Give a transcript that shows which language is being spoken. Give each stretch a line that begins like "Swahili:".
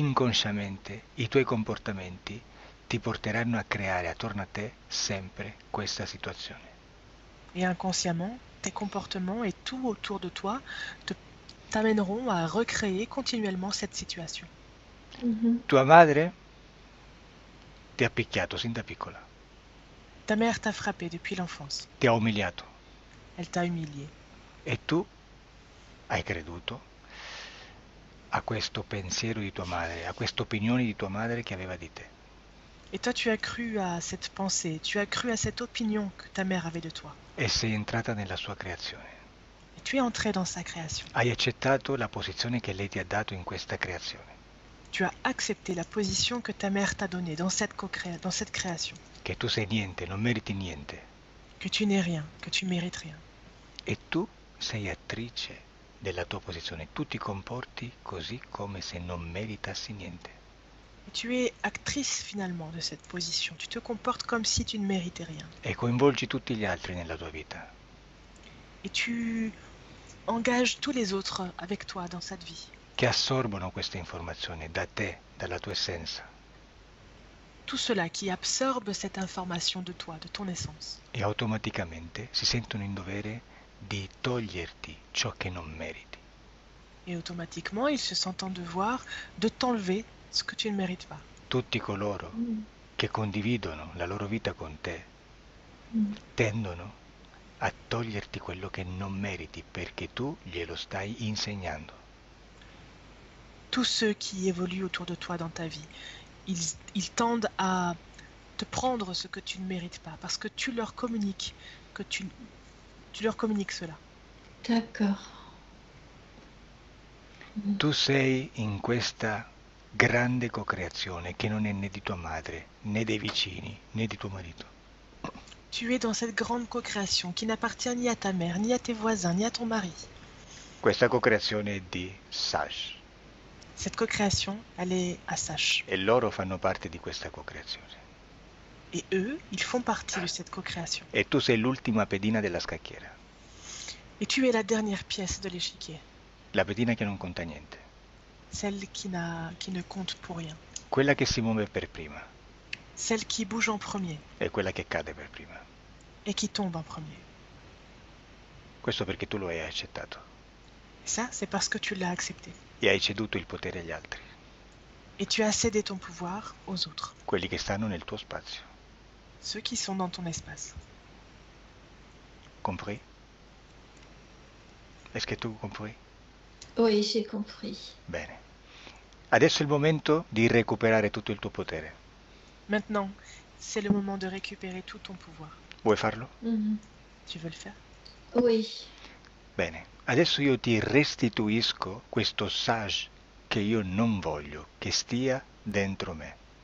Italian: inconsciamente i tuoi comportamenti ti porteranno a creare attorno a te sempre questa situazione.
French: Et inconsciemment, tes comportements et tout autour de toi t'amèneront à recréer continuellement cette situation.
Italian: Tua madre ti ha picchiato sin da piccola. Ti
French: Ta mère t'a frappé depuis l'enfance.
Italian: ha umiliato.
French: Elle t'a humilié.
Italian: E tu hai creduto a questo pensiero di tua madre, a questa opinione di tua madre che aveva di
French: Et toi, tu as cru à cette pensée, tu as cru à cette opinion que ta mère avait de toi.
Italian: te. E sei entrata nella sua creazione.
French: Et tu es entré dans sa création.
Italian: Hai accettato la posizione che lei ti ha dato in questa creazione.
French: Tu as accepté la position que ta mère t'a donnée dans cette création.
Italian: Che tu sei niente, non meriti niente.
French: Que tu n'es rien, que tu mérites rien.
Italian: E tu sei attrice della tua posizione, tu ti comporti così come se non meritassi niente.
French: Et tu es actrice finalement de cette position. Tu te comportes comme si tu ne méritais rien.
Italian: E coinvolgi tutti gli altri nella tua vita.
French: Et tu engages tous les autres avec toi dans cette vie.
Italian: Che assorbono queste informazioni da te, dalla tua essenza.
French: Tout cela qui absorbe cette information de toi, de ton essence.
Italian: E automaticamente si sentono in dovere di toglierti ciò che non meriti.
French: Et automatiquement, ils se sentent en devoir de t'enlever ce que tu ne mérites pas.
Italian: Tutti coloro che condividono la loro vita con te tendono a toglierti quello che non meriti perché tu glielo stai insegnando.
French: Tous ceux qui évoluent autour de toi dans ta vie, ils tendent à te prendre ce que tu ne mérites pas parce que tu leur communiques que tu leur communiques cela. D'accord.
Italian: Tu sei in questa grande co-creazione che non è né di tua madre, né dei vicini, né di tuo marito.
French: Tu es dans cette grande co-création qui n'appartient ni à ta mère, ni à tes voisins, ni à ton mari.
Italian: Questa co-creazione è di Sash.
French: Cette co-création, elle est à Sash.
Italian: E loro fanno parte di questa co-creazione.
French: Et eux, ils font partie de cette co-création.
Italian: E tu sei l'ultima pedina della scacchiera.
French: Et tu es la dernière pièce de l'échiquier.
Italian: La pedina che non conta niente.
French: Celle qui ne compte pour rien.
Italian: Quella che si muove per prima.
French: Celle qui bouge en premier.
Italian: E quella che cade per prima. Questo
French: Et qui tombe en premier.
Italian: perché tu lo hai accettato.
French: Ça, c'est parce que tu l'as accepté.
Italian: E hai ceduto il potere agli altri.
French: Et tu as cédé ton pouvoir aux autres.
Italian: Quelli che stanno nel tuo spazio.
French: Ceux qui sont dans ton espace. Compris? Est-ce que tu compris? Oui, j'ai compris.
Italian: Bene. Adesso è il momento di recuperare tutto il tuo potere.
French: Maintenant, c'est le moment de récupérer tout ton pouvoir.
Italian: Vuoi farlo?
French: Tu veux le faire? Oui.
Italian: Bene, adesso io ti restituisco questo sage che io non voglio che stia dentro me.